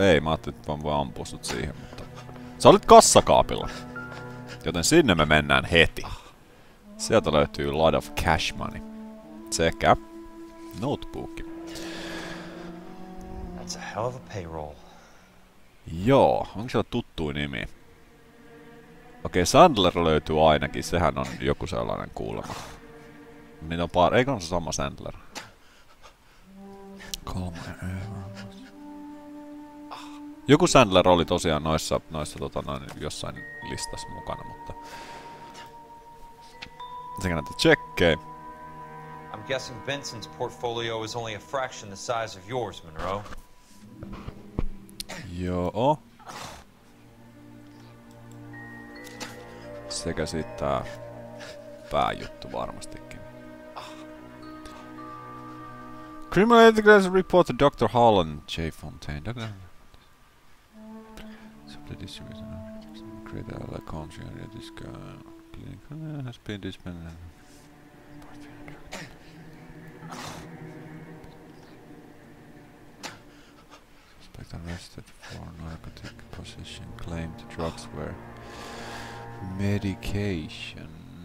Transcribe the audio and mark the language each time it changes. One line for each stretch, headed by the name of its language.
Finnish: Ei, mä ajattelin, että mä voin ampua sut siihen, mutta... Sä olit kassakaapilla. Joten sinne me mennään heti. Sieltä löytyy lot of cash money. Sekä... Notebook.
English: That's a hell of a payroll.
Finnish: Joo, onko siellä tuttu nimi? Okei, Sandler löytyy ainakin, sehän on joku sellainen kuulema. Niin on pari, eikö on se sama Sandler? Joku Sandler oli tosiaan noissa tota noin, jossain listassa mukana, mutta... Sekä näitä tsekkei.
English: I'm guessing Benson's portfolio is only a fraction the size of yours, Monroe.
Finnish: Joo. Sekä sit tää pääjuttu varmastikin.
English: Criminal Integrated Report to Dr. Holland, J. Fontaine. Suspect arrested for narcotic possession, claimed the drugs were medication.